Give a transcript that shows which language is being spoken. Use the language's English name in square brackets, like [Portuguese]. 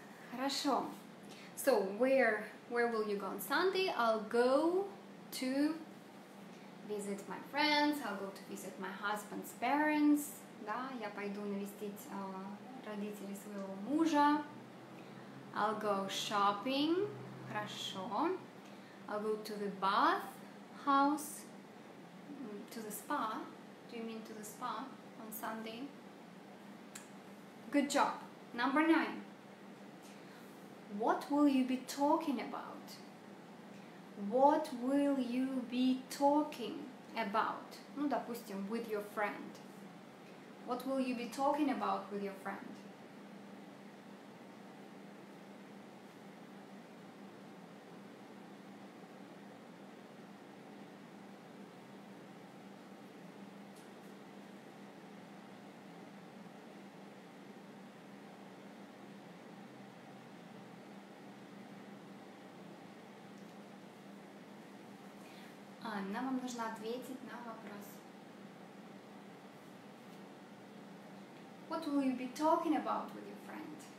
[Russian] Хорошо. [English] So, where will you go on Sunday? I'll go to visit my friends. I'll go to visit my husband's parents. [Russian] Да, я пойду навестить родителей своего мужа. [English] I'll go shopping. [Russian] Хорошо. [English] I'll go to the bath house, to the spa. Do you mean to the spa on Sunday? Good job. Number 9. What will you be talking about? What will you be talking about? [Russian] Ну, допустим, [English] with your friend. What will you be talking about with your friend? [Russian] Анна, вам нужно ответить на вопрос. [English] What will you be talking about with your friend?